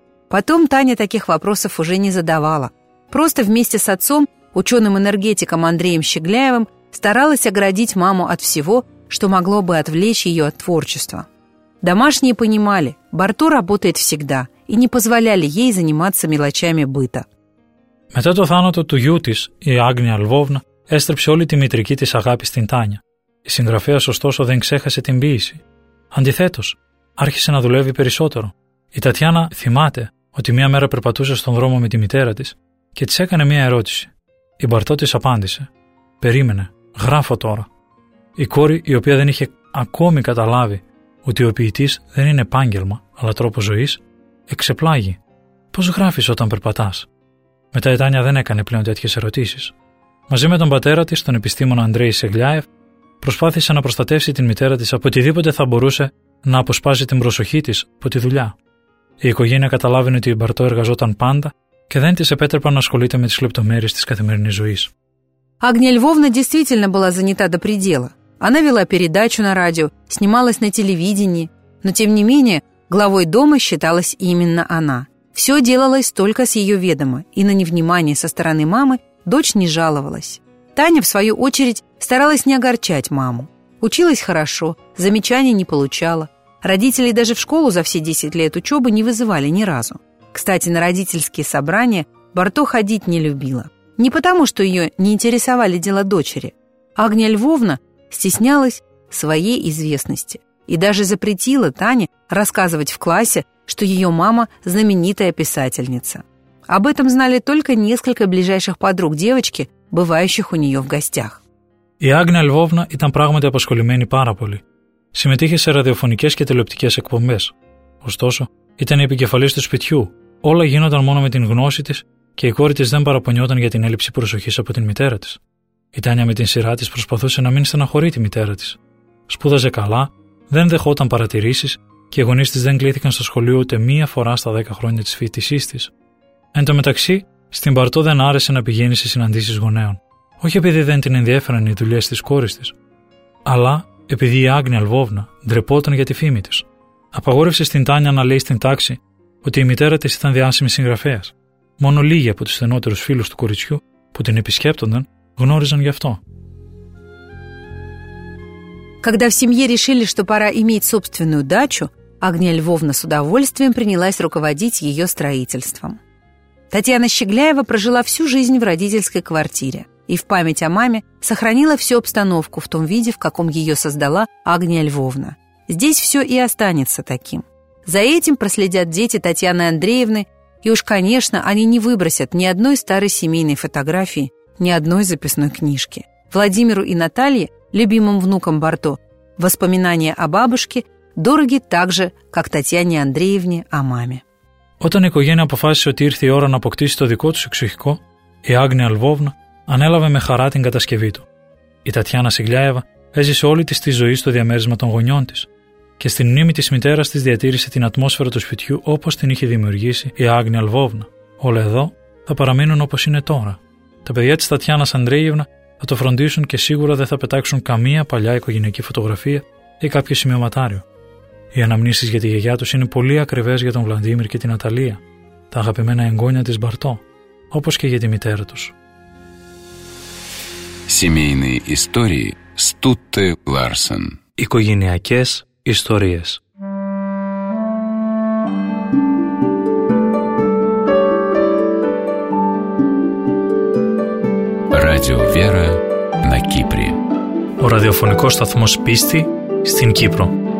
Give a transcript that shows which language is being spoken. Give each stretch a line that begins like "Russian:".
Russian: Потом Таня таких вопросов уже не задавала. Просто вместе с отцом, ученым-энергетиком Андреем Щегляевым, старалась оградить маму от всего, что могло бы отвлечь ее от творчества. Домашние понимали, Барто работает всегда, и не позволяли ей заниматься мелочами быта.
Greek: Μετά το θάνατο του γιού της, η Άγνια Λβόβνα έστρεψε όλη τη μητρική της αγάπη στην Τάνια. Η συγγραφέας, ωστόσο, δεν ξέχασε την ποίηση. Αντιθέτως, άρχισε να δουλεύει περισσότερο. Η Τατιάνα θυμάται ότι μία μέρα περπατούσε στον δρόμο με τη μητέρα της και της έκανε μία ερώτηση. Η Μπαρτό της απάντησε: «Περίμενε, γράφω τώρα». Η κόρη, η οποία δεν είχε ακόμη καταλάβει ότι ο ποιητής δεν είναι επάγγελμα, αλλά τρόπος ζωής, εξεπλάγει: «Πώς γράφεις όταν περπατάς?» Μετά η Τάνια δεν έκανε πλέον τέτοιες ερωτήσεις. Μαζί με τον πατέρα της, τον επιστήμονα Αντρέη Σεγλιάεφ, προσπάθησε να προστατεύσει την μητέρα της από οτιδήποτε θα μπορούσε να αποσπάσει την προσοχή της από τη δουλειά. Η οικογένεια καταλάβαινε ότι η Μπαρτό εργαζόταν πάντα και δεν της επέτρεπαν να ασχολείται με τις λεπτομέρειες της καθημερινής ζωής.
Russian: Άγνια Львовна действительно была занята до предела. Она вела передачу на радио, снималась на телевидении, но тем не менее главой дома считалась именно она. Все делалось только с ее ведома, и на невнимание со стороны мамы дочь не жаловалась. Таня, в свою очередь, старалась не огорчать маму. Училась хорошо, замечаний не получала. Родителей даже в школу за все 10 лет учебы не вызывали ни разу. Кстати, на родительские собрания Барто ходить не любила. Не потому, что ее не интересовали дела дочери. Агния Львовна стеснялась своей известности и даже запретила Тане рассказывать в классе, что ее мама – знаменитая писательница. Об этом знали только несколько ближайших подруг девочки, бывающих у нее в гостях.
Greek: Η Άγνια Λβόβνα ήταν πράγματι απασχολημένη πάρα πολύ. Συμμετείχε σε ραδιοφωνικές και τηλεοπτικές εκπομπές. Ωστόσο, ήταν η επικεφαλής του σπιτιού. Όλα γίνονταν μόνο με την γνώση της και η κόρη της δεν παραπονιόταν για την έλλειψη προσοχής από την μητέρα της. Η Τάνια με την σειρά της προσπαθούσε να μην στεναχωρεί τη μητέρα της. Σπούδαζε καλά, δεν δεχόταν παρατηρήσεις και οι γονείς της δεν κλήθηκαν στο σχολείο ούτε μία φορά στα 10 χρόνια της φοιτησής της. Εν τω μεταξύ, στην Μπαρτό δεν άρεσε να πηγαίνει σε συναντήσεις γονέων. Όχι επειδή δεν την ενδιέφεραν οι δουλειές της κόρης της, αλλά επειδή η Άγνια Λβόβνα ντρεπόταν για τη φήμη της. Απαγόρευσε στην Τάνια να λέει στην τάξη ότι η μητέρα της ήταν διάσημη συγγραφέας. Μόνο λίγοι από τους στενότερους φίλους του κοριτσιού που την επισκέπτονταν γνώριζαν γι' αυτό.
Russian: Когда в семье решили, что пора иметь собственную дачу, Агния Львовна с удовольствием принялась руководить ее строительством. Татьяна Щегляева прожила всю жизнь в родительской квартире и в память о маме сохранила всю обстановку в том виде, в каком ее создала Агния Львовна. Здесь все и останется таким. За этим проследят дети Татьяны Андреевны, и уж, конечно, они не выбросят ни одной старой семейной фотографии, ни одной записной книжки. Владимиру и Наталье, любимым внукам Барто, воспоминания о бабушке дороги так же, как Татьяне Андреевне о маме.
Greek: Όταν η οικογένεια αποφάσισε ότι ήρθε η ώρα να αποκτήσει το δικό του εξοχικό, η Άγνια Λβόβνα ανέλαβε με χαρά την κατασκευή του. Η Τατιάνα Σιγλιάεβα έζησε όλη της τη ζωή στο διαμέρισμα των γονιών της και στην μνήμη της μητέρας της διατήρησε την ατμόσφαιρα του σπιτιού όπως την είχε δημιουργήσει η Άγνια Λβόβνα. Όλα εδώ θα παραμείνουν όπως είναι τώρα. Τα παιδιά της Τατιάνας Ανδρέιευνα θα το φροντίσουν και σίγουρα δεν θα πετάξουν καμία παλιά οικογενειακή φωτογραφία ή κάποιο σημειωματάριο. Οι αναμνήσεις για τη γιαγιά τους είναι πολύ ακριβές για τον Βλαντίμιρ και την Αταλία, τα αγαπημένα εγγόνια της Μπαρτό, όπως και για τη μητέρα τους.
Russian: Семейные истории Стутте Ларсен.
Greek: Οικογενειακές ιστορίες.
Russian: Radio Vera на Кипре.
Greek: Ο ραδιοφωνικός σταθμός πίστη στην Κύπρο.